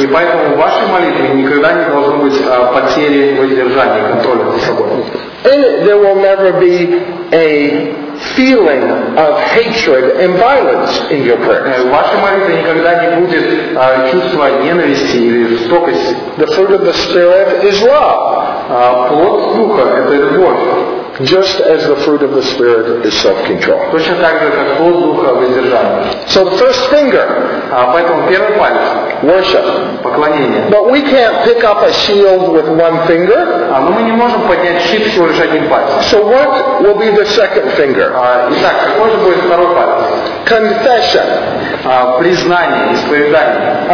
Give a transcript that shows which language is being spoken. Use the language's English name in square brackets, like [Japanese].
[Russian] И поэтому в вашей молитве никогда не должно быть потери воздержания, контроля за собой. [English] And there will never be a feeling of hatred and violence in your prayers. [Russian] В вашей молитве никогда не будет чувства ненависти или жестокости. [English] The fruit of the Spirit is love. [Russian] Плод Духа — это любовь. [English] Just as the fruit of the Spirit is self-control. [Russian] Точно так же, как плод Духа — воздержание. [English] So the first finger. [Russian] Поэтому первый палец. [English] Worship. [Russian] Поклонение. [English] But we can't pick up a shield with one finger. [Russian] Но мы не можем поднять щит всего лишь одним пальцем. [English] So what will be the second finger? [Russian] Итак, какой же будет второй палец? [English] Confession. [Russian] Признание, исповедание.